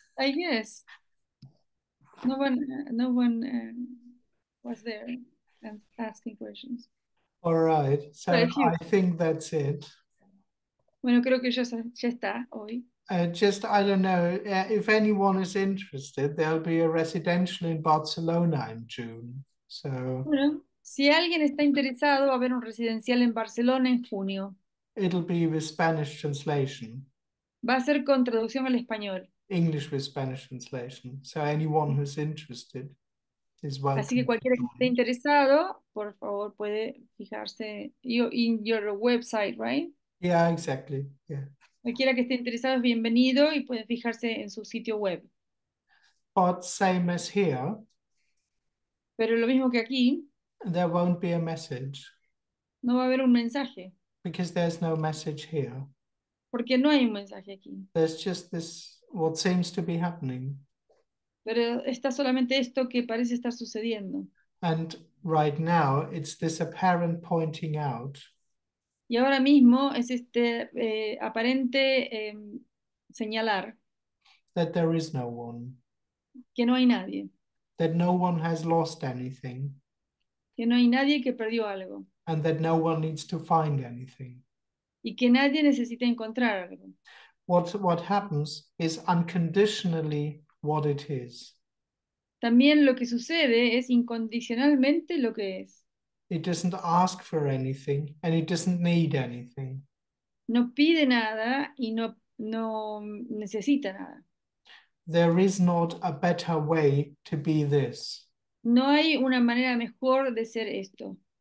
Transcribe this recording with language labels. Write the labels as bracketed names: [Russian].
[English] I guess no one was there and asking questions. All right, But so I think that's it. [Spanish] bueno, creo que ya está hoy. [English] Just I don't know if anyone is interested, there'll be a residential in Barcelona in June, so. [Spanish] Bueno, si alguien está interesado, va a haber un residencial en Barcelona en junio. [English] It'll be with Spanish translation. [Spanish] Va a ser con traducción al español. [English] English with Spanish translation. So anyone who's interested is [Spanish] Así que [English] welcome to [Spanish] cualquiera que esté [English] join. [Spanish] interesado, por favor, puede fijarse [English] in your website, right? Yeah, exactly. Yeah. [Spanish] Cualquiera que esté interesado es bienvenido y puede fijarse en su sitio web. [English] But same as here, [Spanish] Pero lo mismo que aquí, [English] there won't be a message. [Spanish] no va a haber un mensaje. [English] Because there's no message here. [Spanish] Porque no hay un mensaje aquí. [English] There's just this, what seems to be happening. [Spanish] Pero está solamente esto que parece estar sucediendo. [English] And right now, it's this apparent pointing out. [Spanish] Y ahora mismo es este aparente señalar [English] That there is no one. [Spanish] que no hay nadie, [English] That no one has lost anything. [Spanish] que no hay nadie que perdió algo [English] And that no one needs to find anything. [Spanish] y que nadie necesita encontrar algo. [English] What happens is unconditionally what it is. [Spanish] También lo que sucede es incondicionalmente lo que es. [English] It doesn't ask for anything and it doesn't need anything. [Spanish] No pide nada y no necesita nada. [English] There is not a better way to be this. [Spanish] No hay una manera mejor de ser esto.